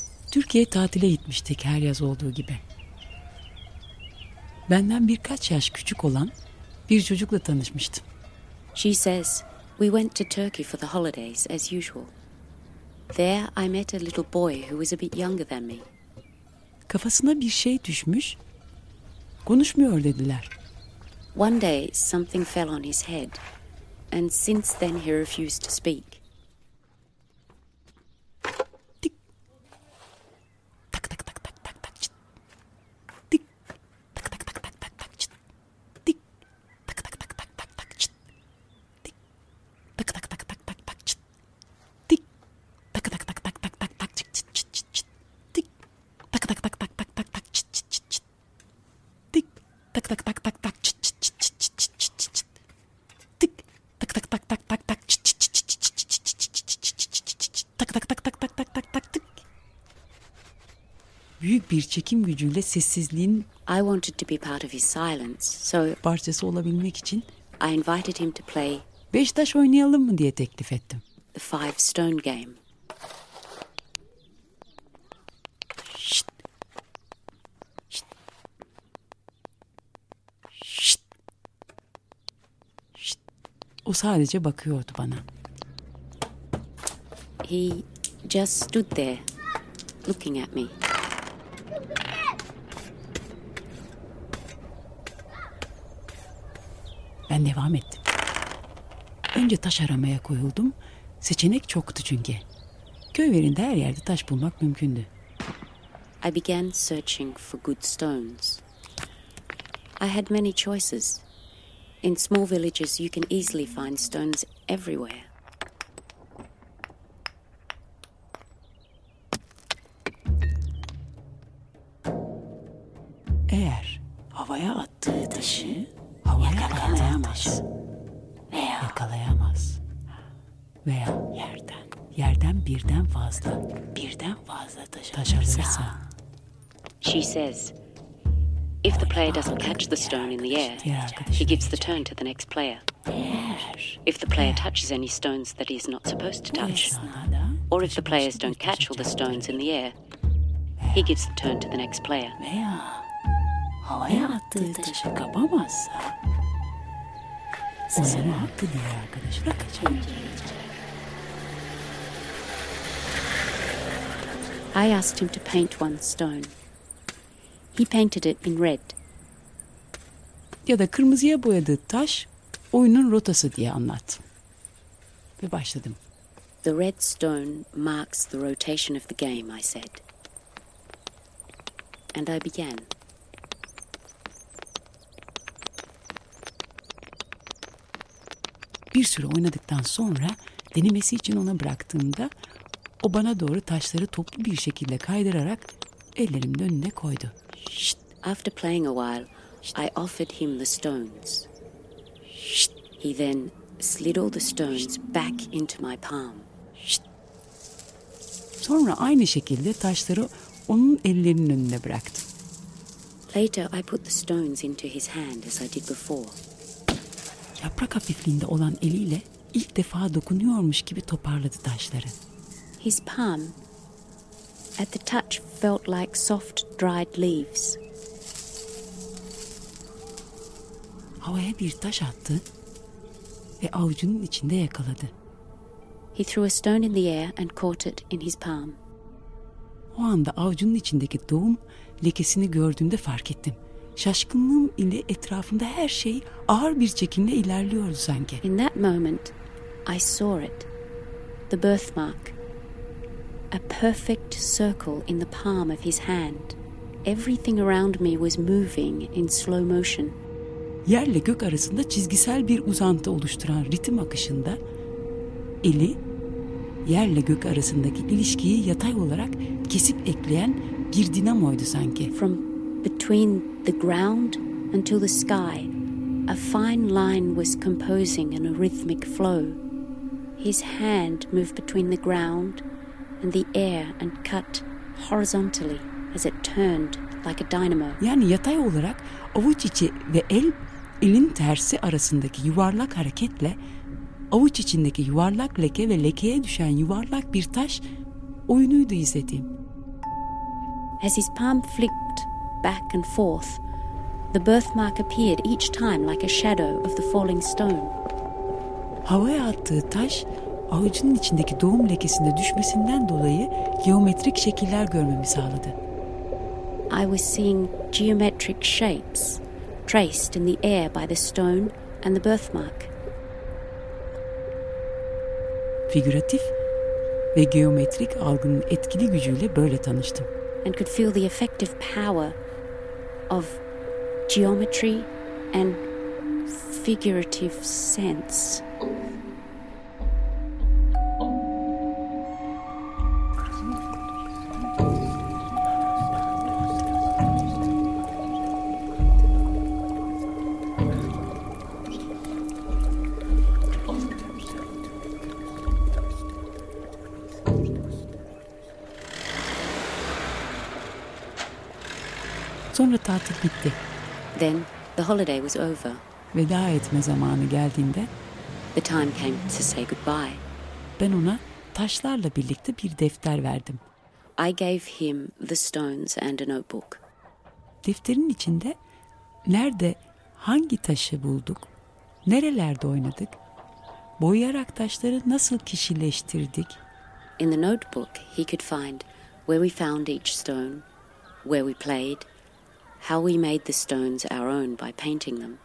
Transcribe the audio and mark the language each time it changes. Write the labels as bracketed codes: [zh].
[tr] Türkiye'ye tatile gitmiştik her yaz olduğu gibi. Benden birkaç yaş küçük olan bir çocukla tanışmıştım. [en] She says, we went to Turkey for the holidays as usual. There I met a little boy who was a bit younger than me. [tr] Kafasına bir şey düşmüş, konuşmuyor dediler. [en] One day something fell on his head and since then he refused to speak. [tr] Bir çekim gücüyle sessizliğin [en] I wanted to be part of his silence, so [tr] parçası olabilmek için [en] I invited him to play [tr] beş taş oynayalım mı diye teklif ettim. [en] The five stone game. [tr] O sadece bakıyordu bana. [en] He just stood there looking at me. [tr] Ben devam ettim. Önce taş aramaya koyuldum. Seçenek çoktu çünkü. Köy verinde her yerde taş bulmak mümkündü. [en] I began searching for good stones. I had many choices. In small villages you can easily find stones everywhere. [tr] Eğer havaya attığı taşı yakalayamaz veya yerden birden fazla taş alırsa. [en] She says, if the player doesn't catch the stone in the air, he gives the turn to the next player. If the player touches any stones that he is not supposed to touch, or if the players don't catch all the stones in the air, he gives the turn to the next player. [tr] Havaya attığı taşı kapamazsa, sana hakkı diye arkadaş bırakacağım. [en] I asked him to paint one stone. He painted it in red. [tr] Ya da kırmızıya boyadığı taş oyunun rotası diye anlat. Ve başladım. [en] The red stone marks the rotation of the game, I said. And I began. [tr] Bir süre oynadıktan sonra denemesi için ona bıraktığımda o bana doğru taşları toplu bir şekilde kaydırarak ellerimin önüne koydu. [en] After playing a while, I offered him the stones. He then slid all the stones back into my palm. [tr] Sonra aynı şekilde taşları onun ellerinin önüne bıraktım. [en] Later I put the stones into his hand as I did before. [tr] Yaprak hafifliğinde olan eliyle ilk defa dokunuyormuş gibi toparladı taşları. [en] His palm at the touch felt like soft dried leaves. [tr] Havaya bir taş attı ve avucunun içinde yakaladı. [en] He threw a stone in the air and caught it in his palm. [tr] O anda avucunun içindeki doğum lekesini gördüğümde fark ettim. Şaşkınlığım ile etrafımda her şey ağır bir çekimle ilerliyordu sanki. [en] In that moment, I saw it. The birthmark. A perfect circle in the palm of his hand. Everything around me was moving in slow motion. [tr] Yerle gök arasında çizgisel bir uzantı oluşturan ritim akışında eli, yerle gök arasındaki ilişkiyi yatay olarak kesip ekleyen bir dinamoydu sanki. [en] From between the ground until the sky, a fine line was composing in a rhythmic flow. His hand moved between the ground and the air and cut horizontally as it turned like a dynamo. [tr] Yani yatay olarak avuç içi ve el, elin tersi arasındaki yuvarlak hareketle avuç içindeki yuvarlak leke ve lekeye düşen yuvarlak bir taş oyunuydu izlediğim. [en] As his palm flicked back and forth, the birthmark appeared each time like a shadow of the falling stone. [tr] Havaya attığı taş, avucunun içindeki doğum lekesinde düşmesinden dolayı geometrik şekiller görmemi sağladı. [en] I was seeing geometric shapes traced in the air by the stone and the birthmark. [tr] Figüratif ve geometrik algının etkili gücüyle böyle tanıştım. [en] And could feel the effective power of geometry and figurative sense. [tr] Sonra tatil bitti. [en] Then the holiday was over. [tr] Veda etme zamanı geldiğinde [en] the time came to say goodbye. [tr] Ben ona taşlarla birlikte bir defter verdim. [en] I gave him the stones and a notebook. [tr] Defterin içinde nerede hangi taşı bulduk, nerelerde oynadık, boyayarak taşları nasıl kişileştirdik. [en] In the notebook he could find where we found each stone, where we played, how we made the stones our own by painting them.